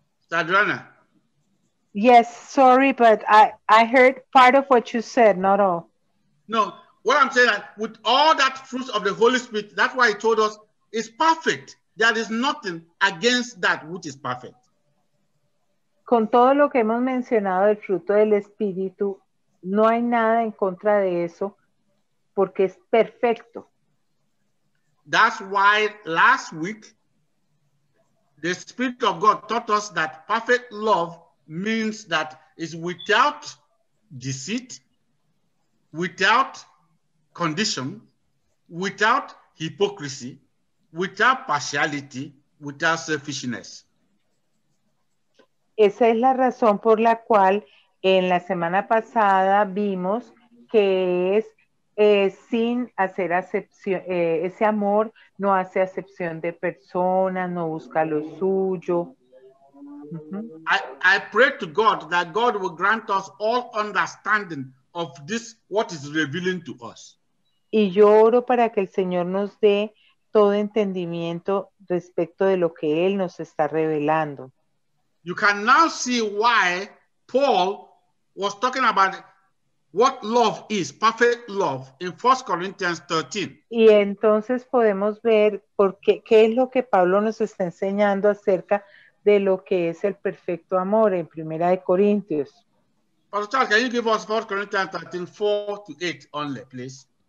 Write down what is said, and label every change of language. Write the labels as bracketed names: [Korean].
[English] Sadrana. Yes, sorry, but I heard part of what you said, not all. No, what I'm saying is with all that fruits of the Holy Spirit, that's why he told us it's perfect. There is nothing against that which is perfect. [Spanish] Con todo lo que hemos mencionado del fruto del Espíritu, no hay nada en contra de eso, porque es perfecto. [English] That's why last week, the Spirit of God taught us that perfect love means that it's without deceit, without condition, without hypocrisy, without partiality, without selfishness. [Spanish] Esa es la razón por la cual en la semana pasada vimos que es sin hacer acepción, ese amor no hace acepción de persona, no busca lo suyo. Uh-huh. [English] I pray to God that God will grant us all understanding of this, what is revealing to us. [Spanish] Y yo oro para que el Señor nos dé todo entendimiento respecto de lo que Él nos está revelando. [English] You can now see why Paul was talking about what love is, perfect love, in 1 Corinthians 13. [Spanish] Y entonces podemos ver por qué, qué es lo que Pablo nos está enseñando acerca de lo que es el perfecto amor en Primera de Corintios. [English] Pastor Charles, can you give us 1 Corinthians 13, 4 to 8 only, please?